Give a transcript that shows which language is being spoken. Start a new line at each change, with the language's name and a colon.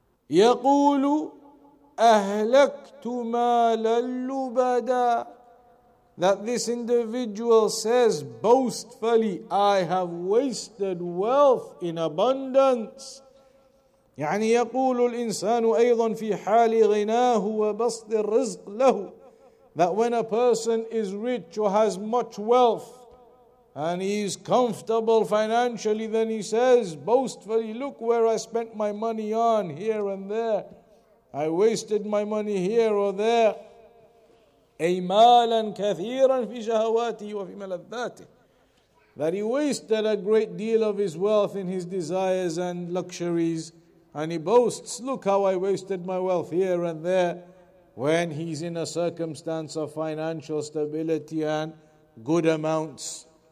Arabic: يَقُولُ أَهْلَكْتُ مَالًا لُبَدًا.
English: That this individual says boastfully, I have wasted wealth in abundance.
Arabic: يعني يقول الإنسان أيضا في حال غناه وبسط الرزق له.
English: That when a person is rich or has much wealth and he is comfortable financially, then he says boastfully, look where I spent my money on, here and there. I wasted my money here or there.
Arabic: أي مالا كثيرا في شهواته وفي ملذاته.
English: that he wasted a great deal of his wealth in his desires and luxuries, and he boasts, look how I wasted my wealth here and there, when he's in a circumstance of financial stability and good amounts.